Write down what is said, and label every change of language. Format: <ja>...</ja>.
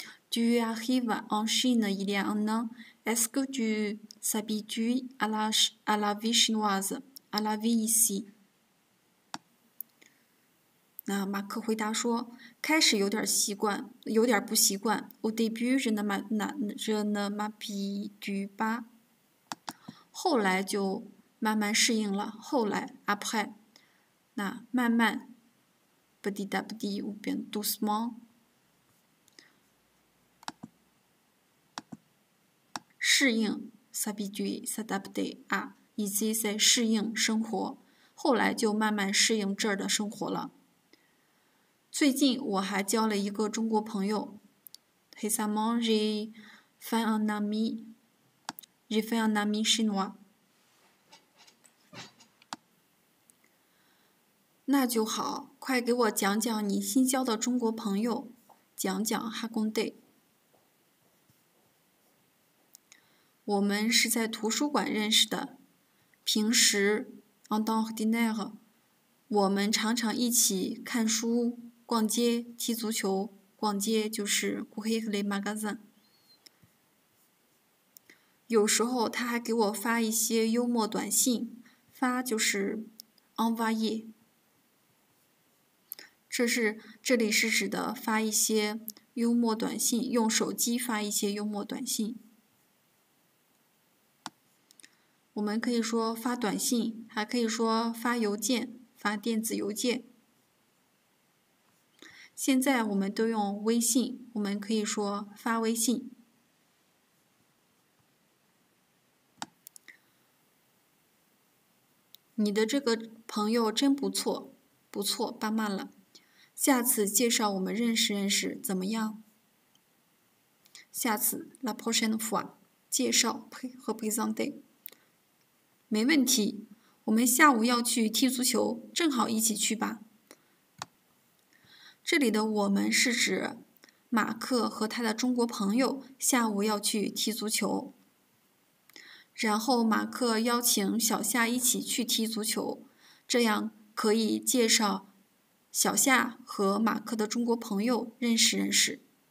<fr>Tu arrives en Chine il y a un an. Est-ce que tu t'habitues à la vie chinoise, à la vie ici?</fr> <zh>那马克回答说，开始有点习惯，有点不习惯。</zh> <fr>Au début, je ne m'habitue pas.</fr> <zh>后来就慢慢适应了。后来</zh> <fr>après,</fr> <zh>那慢慢</zh> <fr>petit à petit ou bien doucement.</fr> <zh>适应</zh> <fr>s'habituer, s'adapter à, ici c'est</fr> <zh>适应生活，后来就慢慢适应这儿的生活了。最近我还交了一个中国朋友</zh> <fr>récemment j'ai fait un ami chinois.</fr> <zh>那就好，快给我讲讲你新交的中国朋友，讲讲</zh> <fr>racontez.</fr> <zh>我们是在图书馆认识的，平时</zh> <fr>en ordinaire,</fr> <zh>我们常常一起看书、逛街、踢足球。逛街就是</zh> <fr>courir les magasins。</fr> <zh>有时候他还给我发一些幽默短信，发就是</zh> <fr>envoyer。</fr> <zh>这里是指的发一些幽默短信，用手机发一些幽默短信。我们可以说发短信，还可以说发邮件，发电子邮件。现在我们都用微信，我们可以说发微信。你的这个朋友真不错，不错，巴曼了。下次介绍我们认识认识怎么样？下次</zh> <fr>la prochaine fois</fr> <zh>介绍和</zh> <fr>présenter。</fr> <zh>没问题，我们下午要去踢足球，正好一起去吧。这里的我们是指马克和他的中国朋友下午要去踢足球。然后马克邀请小夏一起去踢足球，这样可以介绍小夏和马克的中国朋友认识认识。</zh>